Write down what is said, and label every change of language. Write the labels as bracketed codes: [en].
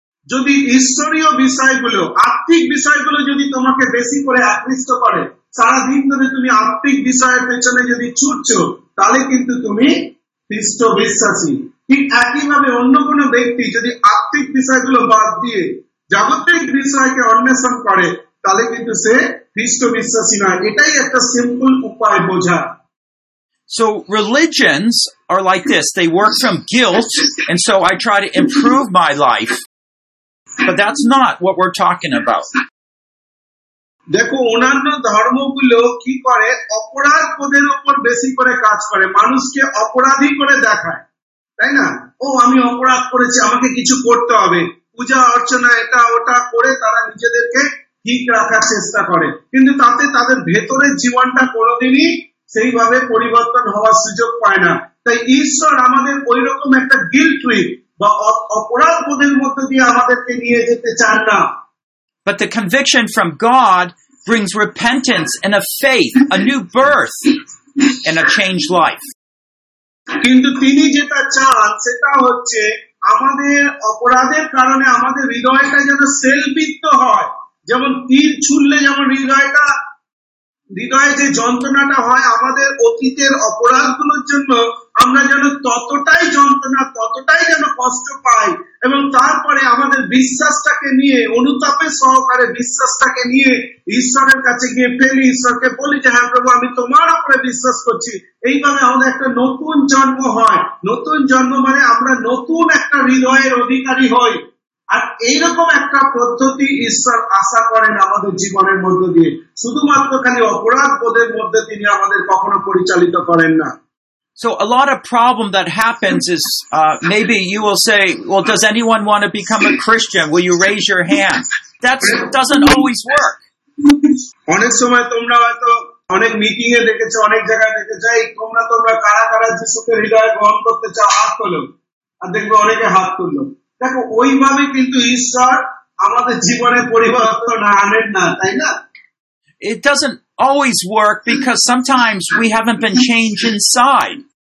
[bn] যদি ঈশ্বরীয় বিষয়গুলো, আত্মিক বিষয়গুলো যদি তোমাকে বেশি করে আকৃষ্ট করে, সারাদিন ধরে তুমি আত্মিক বিষয়ের পেছনে যদি ছুটছ, তাহলে কিন্তু তুমি খ্রিস্ট বিশ্বাসী। ঠিক একইভাবে অন্য কোন ব্যক্তি যদি আত্মিক বিষয়গুলো বাদ দিয়ে জাগতিক বিষয়কে অন্বেষণ করে, তাহলে কিন্তু সে খ্রিস্ট বিশ্বাসী নয়। এটাই একটা সিম্পল উপায় বোঝা। [en] So religions are like this, they work from guilt, and so I try to improve my life. But that's not what we're talking about. [bn] দেখো অন্যান্য ধর্মগুলো কি করে, অপরাধ পদের উপর বেশি করে কাজ করে, মানুষকে অপরাধী করে দেখায়, তাই না? ও আমি অপরাধ করেছি, আমাকে কিছু করতে হবে, পূজা অর্চনা এটা ওটা করে তারা নিজেদেরকে ঠিক রাখার চেষ্টা করে, কিন্তু তাতে তাদের ভেতরের জীবনটা কোনোদিনই সেইভাবে পরিবর্তন হওয়ার সুযোগ পায় না। তাই ঈশ্বর আমাদের ওই রকম একটা গিল্ট উইক বা অপরাধ বোধের মধ্যে দিয়ে আমাদেরকে নিয়ে যেতে চান না। [en] But the conviction from God brings repentance and a faith, a new birth, and a changed life. [bn] কিন্তু তিনি যেটা চান সেটা হচ্ছে আমাদের অপরাধের কারণে আমাদের হৃদয়টা যেন সেলবিত্ত হয়, যেমন তীর ছুললে যেমন হৃদয়টা হৃদয়ে যে যন্ত্রণাটা হয় আমাদের অতীতের অপরাধগুলোর জন্য, আমরা যেন ততটাই যন্ত্রণা ততটাই যেন কষ্ট পাই, এবং তারপরে আমাদের বিশ্বাসটাকে নিয়ে অনুতাপের সহকারে বিশ্বাসটাকে নিয়ে ঈশ্বরের কাছে গিয়ে ফেলি, ঈশ্বরকে বলি যে হ্যাঁ প্রভু আমি তোমার উপরে বিশ্বাস করছি। এইভাবে আমাদের একটা নতুন জন্ম হয়, নতুন জন্ম মানে আমরা নতুন একটা হৃদয়ের অধিকারী হই, আর এইরকম একটা পদ্ধতি ঈশ্বর আশা করেন আমাদের জীবনের মধ্য দিয়ে, শুধুমাত্র খালি অপরাধ বোধের মধ্যে তিনি আমাদের কখনো পরিচালিত করেন না। [en] So a lot of problem that happens is maybe you will say, well, does anyone want to become a Christian? Will you raise your hand? That doesn't always work. [bn] অনেক সময় তোমরা হয়তো অনেক মিটিং এ দেখেছো, অনেক জায়গায় দেখেছো, এই তোমরা তোমরা কারা কারা যিশুকে হৃদয়ে গ্রহণ করতে চাও হাত তোলো, আর দেখবে অনেকে হাত তুললো। দেখো ওইভাবে কিন্তু ঈশ্বর আমাদের জীবনে পরিবর্তন আনেন না, তাই না? [en] It doesn't always work because sometimes we haven't been changed inside.